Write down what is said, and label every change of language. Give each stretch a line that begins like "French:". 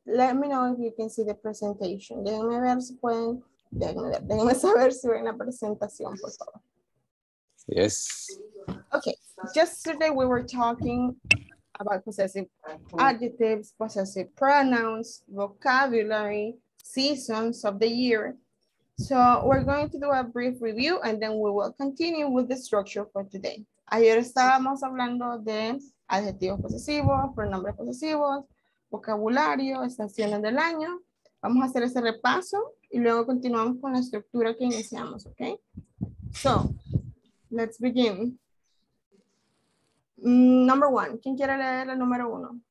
English: Let me know if you can see the presentation.
Spanish: Déjenme ver si pueden. Déjenme saber si ven la presentación, por favor.
English: Yes. Okay. Yesterday we were talking about possessive adjectives, possessive pronouns, vocabulary, seasons of the year. So we're going to do a brief review and then we will continue with the structure for today.
Spanish: Ayer estábamos hablando de adjetivos posesivos, pronombres posesivos, vocabulario, estaciones del año. Vamos a hacer ese repaso y luego continuamos con la estructura que iniciamos, ¿ok?
English: So, let's begin. Number one,
Spanish: ¿quién quiere leer la número uno?